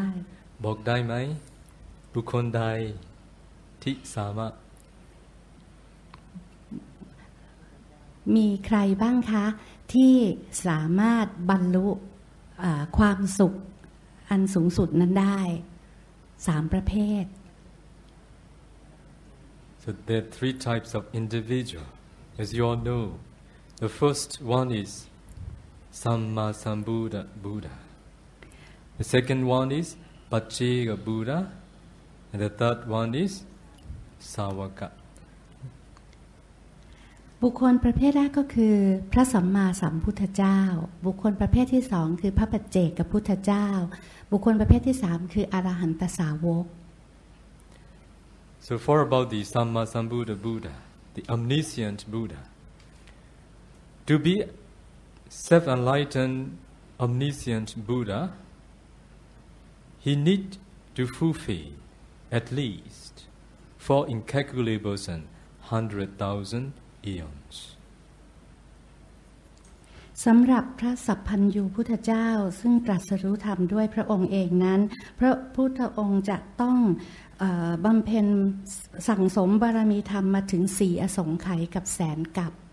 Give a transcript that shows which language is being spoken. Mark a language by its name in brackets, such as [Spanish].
[Thai] บอกได้ไหมบุคคลใดที่สามารถ มีใครบ้างคะที่สามารถบรรลุความสุขอันสูงสุดนั้นได้3ประเภท [English] So there are three types of individual as you all know the first one is Sammasambuddha Buddha the second one is Paccika Buddha and the third one is Savaka [Thai] บุคคลประเภทแรกก็คือพระสัมมาสัมพุทธเจ้าบุคคลประเภทที่สองคือพระปัจเจกพุทธเจ้าบุคคลประเภทที่สามคืออรหันตสาวก [English] So for about the Sammasambuddha Buddha the omniscient Buddha to be self-enlightened omniscient Buddha he need to fulfill at least four incalculable and 100,000Eons. [Thai] สำหรับพระสัพพัญญูพุทธเจ้าซึ่งตรัสรู้ธรรมด้วยพระองค์เองนั้นพระพุทธองค์จะต้องบำเพ็ญสั่งสมบารมีธรรมมาถึง4อสงไขยกับแสนกับ